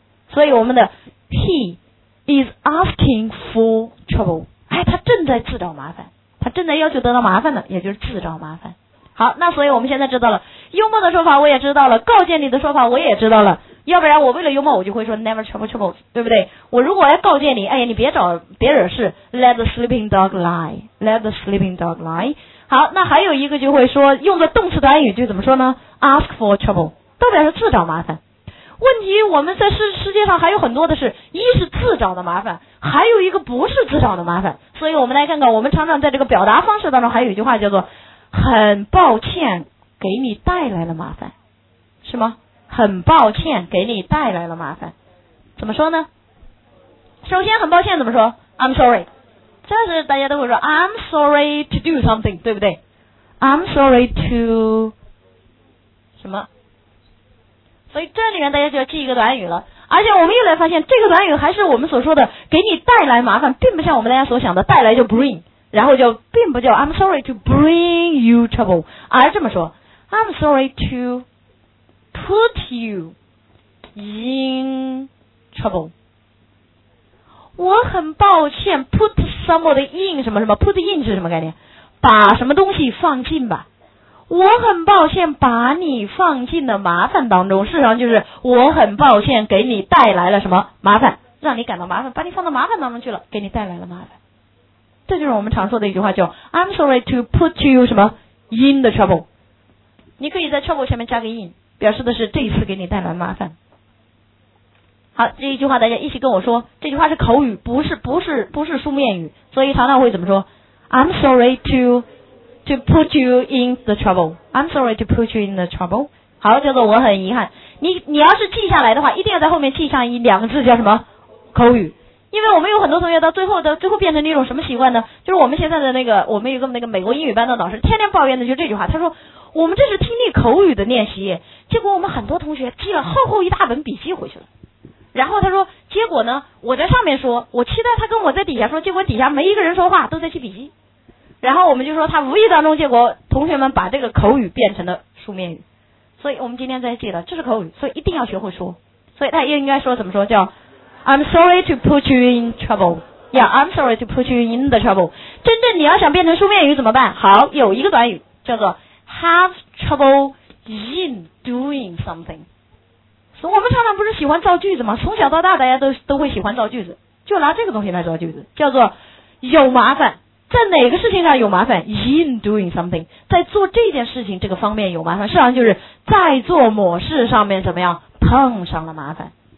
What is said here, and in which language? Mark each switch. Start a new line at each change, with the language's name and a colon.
Chinese: 所以我们的
English: he is asking for trouble，
Chinese: 哎，他正在自找麻烦，他正在要求得到麻烦的，也就是自找麻烦。好，那所以我们现在知道了幽默的说法，我也知道了告诫你的说法，我也知道了，要不然我为了幽默我就会说
English: never trouble troubles，
Chinese: 对不对？我如果要告诫你，哎呀，你别找别惹事，
English: let the sleeping dog lie，
Chinese: let the sleeping dog lie。好，那还有一个就会说用的动词短语就怎么说呢？
English: ask for trouble，
Chinese: 代表是自找麻烦。问题我们在世界上还有很多的是，一是自找的麻烦，还有一个不是自找的麻烦。所以我们来看看，我们常常在这个表达方式当中还有一句话叫做很抱歉给你带来了麻烦，是吗？很抱歉给你带来了麻烦，怎么说呢？首先很抱歉怎么说？
English: I'm sorry，
Chinese: 这是大家都会说
English: I'm sorry to do something，
Chinese: 对不对？
English: I'm sorry to
Chinese: 什么。所以这里面大家就要记一个短语了。而且我们又来发现这个短语还是我们所说的给你带来麻烦，并不像我们大家所想的带来就 bring， 然后就并不叫
English: I'm sorry to bring you trouble，
Chinese: 而这么说
English: I'm sorry to put you in trouble，
Chinese: 我很抱歉
English: put somebody in
Chinese: 什么什么。
English: put in
Chinese: 是什么概念？把什么东西放进吧。我很抱歉把你放进了麻烦当中，事实上就是我很抱歉给你带来了什么麻烦，让你感到麻烦，把你放到麻烦当中去了，给你带来了麻烦。这就是我们常说的一句话叫
English: I'm sorry to put you
Chinese: 什么
English: in the trouble。
Chinese: 你可以在 trouble 前面加个 in， 表示的是这一次给你带来麻烦。好，这一句话大家一起跟我说，这句话是口语，不是书面语，所以常常会怎么说？
English: I'm sorry to put you in the trouble， I'm sorry to put you in the trouble。
Chinese: 好，叫做我很遗憾。你要是记下来的话，一定要在后面记上一两个字叫什么？口语。因为我们有很多同学到最后变成那种什么习惯呢？就是我们现在的那个，我们有个那个美国英语班的老师天天抱怨的就是这句话。他说我们这是听力口语的练习，结果我们很多同学记了厚厚一大本笔记回去了。然后他说结果呢，我在上面说，我期待他跟我在底下说，结果底下没一个人说话，都在记笔记。然后我们就说他无意当中，结果同学们把这个口语变成了书面语。所以我们今天在记得这是口语，所以一定要学会说。所以他应该说怎么说？叫
English: I'm sorry to put you in trouble， yeah， I'm sorry to put you in the trouble。
Chinese: 真正你要想变成书面语怎么办？好，有一个短语叫做
English: have trouble in doing something。
Chinese: 所以我们常常不是喜欢造句子吗？从小到大大家都会喜欢造句子，就拿这个东西来造句子，叫做有麻烦。在哪个事情上有麻烦？
English: in doing something，
Chinese: 在做这件事情这个方面有麻烦，事实上就是在做某事上面怎么样碰上了麻烦。